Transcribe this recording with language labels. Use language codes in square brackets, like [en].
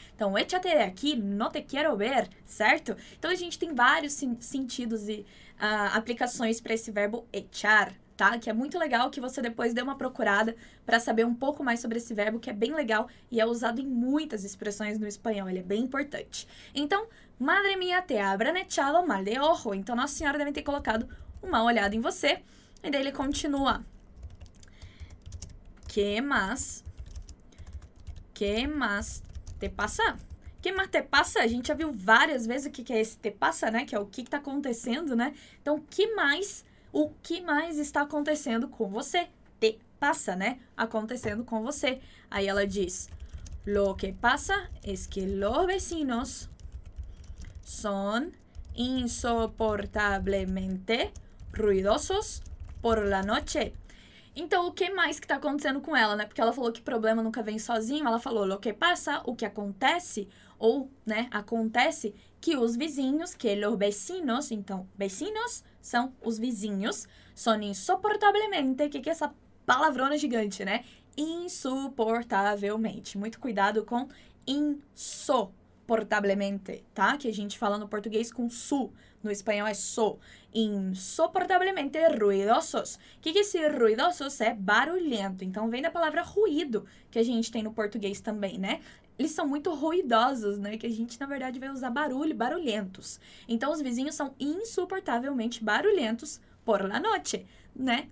[pt] Então [es] échate aqui, no te quiero ver, [pt] certo? Então a gente tem vários sentidos e aplicações para esse verbo echar. Tá? Que é muito legal que você depois dê uma procurada para saber um pouco mais sobre esse verbo, que é bem legal e é usado em muitas expressões no espanhol, ele é bem importante. [es] Então, madre mía, te habrán echado mal de ojo. [pt] Então, Nossa Senhora deve ter colocado um mal olhado em você. E daí ele continua. [es] ¿Qué más? ¿Qué más te pasa? ¿Qué más te pasa? [pt] A gente já viu várias vezes o que é esse te pasa, né? Que é o que está acontecendo, né? Então, [es] ¿qué más? [pt] O que mais está acontecendo com você? Te pasa, né? Acontecendo com você. Aí ela diz, [es] lo que pasa es que los vecinos son insoportablemente ruidosos por la noche. [pt] Então, o que mais que tá acontecendo com ela, né? Porque ela falou que problema nunca vem sozinho. Ela falou, o que passa, o que acontece, ou, né, acontece, que os vizinhos, [es] que los vecinos, [pt] então, vecinos são os vizinhos, [es] son insoportablemente, [pt] que é essa palavrona gigante, né? Insuportavelmente. Muito cuidado com insoportablemente, tá? Que a gente fala no português com su, no espanhol é so. Insoportablemente ruidosos. Que esse ruidosos é barulhento. Então, vem da palavra ruído, que a gente tem no português também, né? Eles são muito ruidosos, né? Que a gente, na verdade, vai usar barulho, barulhentos. Então, os vizinhos são insuportavelmente barulhentos [es] por la noche, [pt] né?